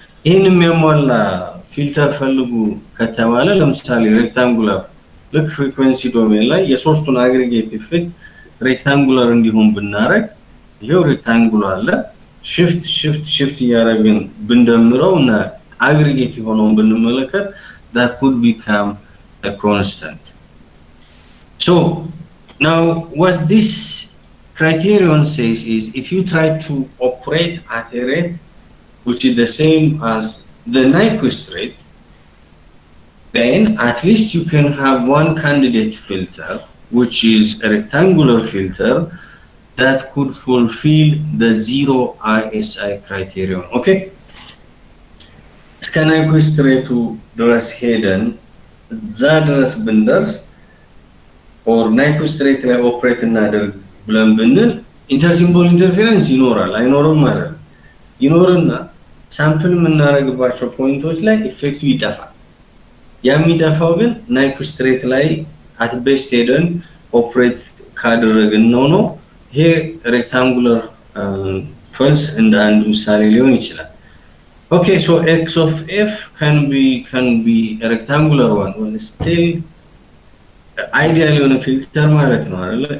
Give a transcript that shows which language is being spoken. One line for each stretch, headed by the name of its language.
Amharic: ይሄን የሚያሟላ ፊልተር ፈልጉ ከተባለ ለምሳሌ ሬክታንጉላር ልክ ፍሪኩዌንሲ ዶሜን ላይ የሶስቱን አግሪጌት ኢፌክት ሬክታንጉላር እንዲሆን ብናረግ ይሄው ሬክታንጉላር አለ ሺፍት ሺፍት ሺፍት እያረግን ብንደምረው እና አግሪጌት የሆነውን ብንመለከት
English: that could become a constant. So now what this criterion says is if you try to operate at a rate which is the same as the Nyquist rate, then at least you can have one candidate filter, which is a rectangular filter that could fulfill the zero ISI criterion. Okay?
Amharic: እስከ ናይኩዊስት ሬቱ ድረስ ሄደን እዛ ድረስ ብንደርስ ኦር ናይኩዊስት ሬት ላይ ኦፕሬት እናደርግ ብለን ብንል ኢንተርሲምቦል ኢንተርፌረንስ ይኖራል አይኖርም? አለ ይኖርና ሳምፕል የምናደርግባቸው ፖይንቶች ላይ ኢፌክቱ ይጠፋል። ያ የሚጠፋው ግን ናይኩዊስት ሬት ላይ አት ቤስት ሄደን ኦፕሬት ካደረግን ነው ነው። ይሄ ሬክታንጉለር ፈልስ እንደ አንድ ምሳሌ ሊሆን ይችላል። ኦኬ ሶ ኤክስ ኦፍ ኤፍ ካን ቢ ሬክታንጉለር ዋን ወን ስቲል አይዲያል የሆነ ፊልተር ማለት ነው አይደለ?